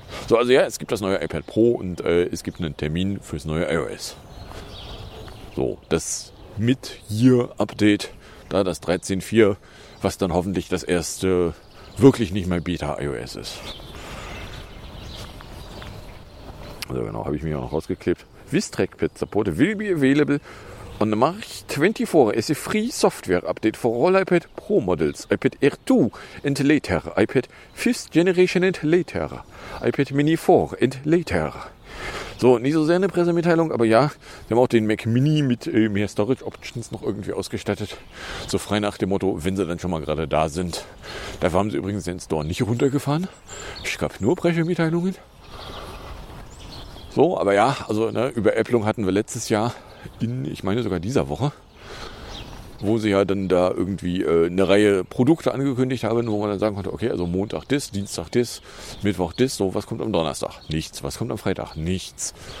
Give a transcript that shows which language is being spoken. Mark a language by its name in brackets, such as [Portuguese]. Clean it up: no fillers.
[German] So, also ja, es gibt das neue iPad Pro und es gibt einen Termin fürs neue iOS. So, das Mid-Year-Update, da das 13.4, was dann hoffentlich das erste wirklich nicht mal Beta-iOS ist. Also genau, habe ich mir auch noch rausgeklebt. [English] Vis-Trackpad Support will be available on the March 24 as a free software update for all iPad Pro models, iPad Air 2 and later, iPad 5th generation and later, iPad Mini 4 and later. [German] So, nicht so sehr eine Pressemitteilung, aber ja, wir haben auch den Mac Mini mit mehr Storage Options noch irgendwie ausgestattet. So frei nach dem Motto, wenn sie dann schon mal gerade da sind. Dafür haben sie übrigens den Store nicht runtergefahren. Es gab nur Pressemitteilungen. So, aber ja, also ne, über Applung hatten wir letztes Jahr, sogar dieser Woche, wo sie ja dann da irgendwie eine Reihe Produkte angekündigt haben, wo man dann sagen konnte, okay, also Montag das, Dienstag das, Mittwoch das, so, was kommt am Donnerstag? Nichts. Was kommt am Freitag? Nichts.